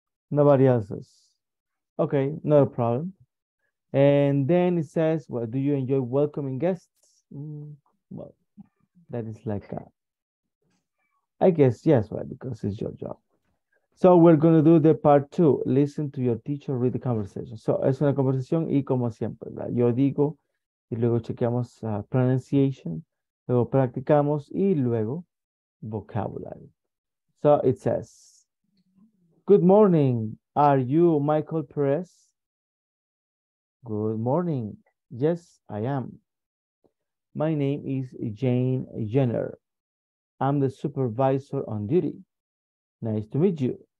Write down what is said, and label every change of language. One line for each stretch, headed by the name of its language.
English: Nobody else's. Okay, not a problem. And then it says, well, do you enjoy welcoming guests? Well, that is like, I guess, yes, right, because it's your job. So we're going to do the part two. Listen to your teacher, read the conversation.
Spanish: So es una conversación y como siempre, ¿verdad? Yo digo, y luego chequeamos pronunciation, luego practicamos y luego vocabulary.
English: So it says, good morning, are you Michael Perez? Good morning, yes, I am. My name is Jane Jenner. I'm the supervisor on duty. Nice to meet you.